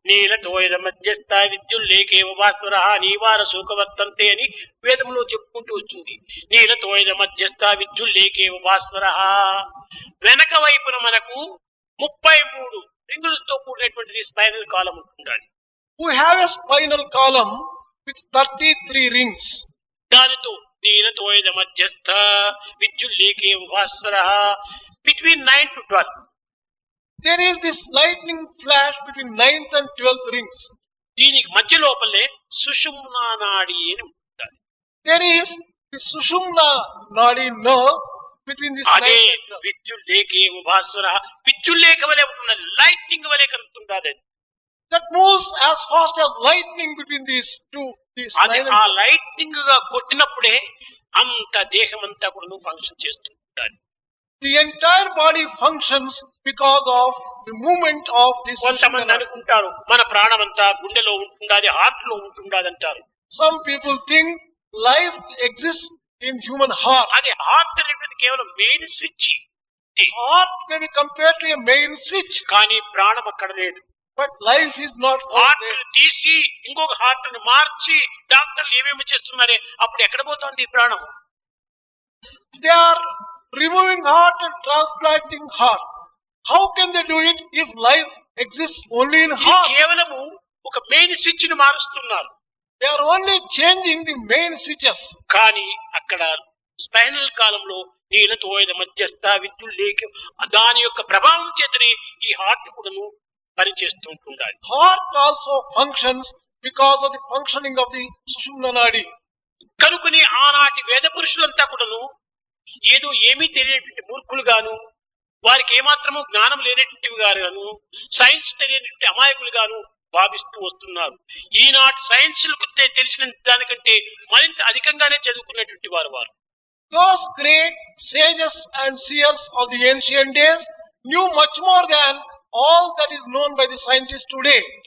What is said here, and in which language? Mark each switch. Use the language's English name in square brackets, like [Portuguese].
[Telugu] నీల తోయల మధ్యస్థ విద్యుల్లేకే వాసుర నీవార శోకవర్తంతే అని వేదములో చెప్పుకుంటూ వచ్చింది నీల తోయల మధ్యస్థ విద్యుల్లేకే వాసుర వెనక వైపున మనకు 33 రింగులతో కూడినటువంటి స్పైనల్ కాలం ఉంటుంది [English] we have a spinal column with 33 rings [Telugu] దానితో నీల తోయల మధ్యస్థ విద్యుల్లేకే వాసుర [English] between 9 to 12 there is this lightning flash between 9th and 12th rings [Telugu] deeniki madhya lopale sushumna nadi ani untadi [English] there is the sushumna nadi no between this light and dark. [Telugu] విద్యుల్లేక ఉభాస్వరః విద్యుల్లేక వలె ఉంటుంది, lightning వలె కనుకుంటుంది. [English] That moves as fast as lightning between these two. [Telugu] అది ఆ lightning గా కొట్టినప్పుడే అంత దేహం అంతా కూడా నువ్వు ఫంక్షన్ చేస్తుంది. [English] The entire body functions because of the movement of this. [Telugu] కొంతమంది అనుకుంటారు మన ప్రాణం అంతా గుండెలో ఉంటుండాలి, హార్ట్ లో ఉంటుండాలి అంటారు. [English] Some people think life exists in human heart. [Telugu] అది హార్ట్ అనేది కేవలం main switch. [English] Heart may be compared to a main switch. [Telugu] కానీ ప్రాణం అక్కడ లేదు. [English] But life is not [Telugu] heart తీసి ఇంకొక హార్ట్ ను మార్చి డాక్టర్లు ఏమేమి చేస్తున్నారే, అప్పుడు ఎక్కడ పోతుంది ఈ ప్రాణం? [English] They are removing heart and transplanting heart. How can they do it if life exists only in heart? [Telugu] కేవలం ఒక మెయిన్ స్విచ్ ని మారుస్తున్నారు. [English] They are only changing the main switches. [Telugu] కాని అక్కడ స్పైనల్ కాలమ్ లో నీలతో మధ్యస్థ విద్యుత్ లేక దాని యొక్క ప్రభావం చేతనే ఈ హార్ట్ కూడా పనిచేస్తుంటుండాలి. [English] Heart also functions because of the functioning of the sushumna nadi. [Telugu] కనుకనే ఆనాటి వేద పురుషులంతా కూడాను ఏదో ఏమీ తెలియనటువంటి మూర్ఖులు గాను, వారికి ఏమాత్రము జ్ఞానం లేనటువంటి గాను, సైన్స్ తెలియనటువంటి అమాయకులు గాను భావిస్తూ వస్తున్నారు. ఈనాటి సైన్స్ తెలిసిన దానికంటే మరింత అధికంగానే చదువుకున్నటువంటి వారు వారు. [English] Those great sages and seers of the ancient days knew much more than all that is known by the scientists today.